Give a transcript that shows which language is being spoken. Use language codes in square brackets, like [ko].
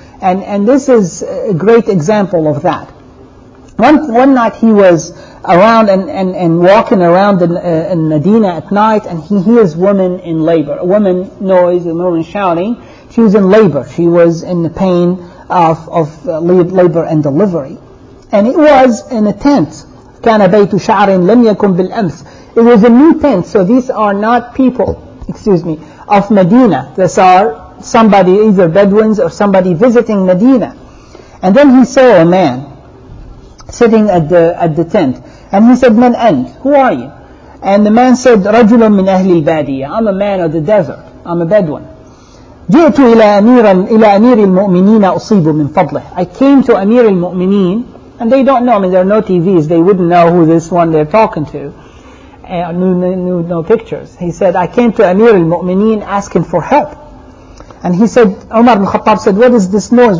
[en] And this is a great example of that. One night he was around and walking around in Medina at night, and he hears woman in labor. A woman noise, a woman shouting. She was in labor. She was in the pain of labor and delivery. And it was in a tent. [ar] كان بيت شعر لم يكن بالأمس. [en] It was a new tent. So these are not people, of Medina. These are somebody, either Bedouins or somebody visiting Medina. And then he saw a man sitting at the tent. And he said, [ar] "Man ant? [en] Who are you?" And the man said, [ar] "Rajulun min ahli al-badiya. [en] I'm a man of the desert. I'm a Bedouin. [ar] جئت إلى أميراً إلى أمير المؤمنين أصيب من فضله. [en] I came to Amir al-Mu'mineen, and they don't know. I mean, there are no TVs. They wouldn't know who this one they're talking to. No pictures. He said, "I came to Amir al-Mu'mineen asking for help." And he said, Umar ibn Khattab said, "What is this noise?